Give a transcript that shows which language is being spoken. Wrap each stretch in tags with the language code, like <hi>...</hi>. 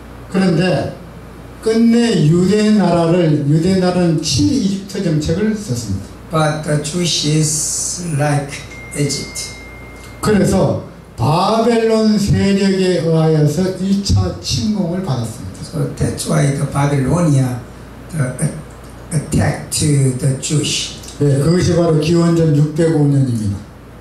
<ko>그런데 끝내 유대 나라를 유대 나라는 친이집트 정책을 썼습니다.</ko> <en>But the Jews is like Egypt.</en> <ko>그래서 바벨론 세력에 의하여서 1차 침공을 받았습니다.</ko> <en>So that's why the Babylonia attacked to the Jews.</en> <ko>예, 그것이 바로 기원전 605년입니다.</ko>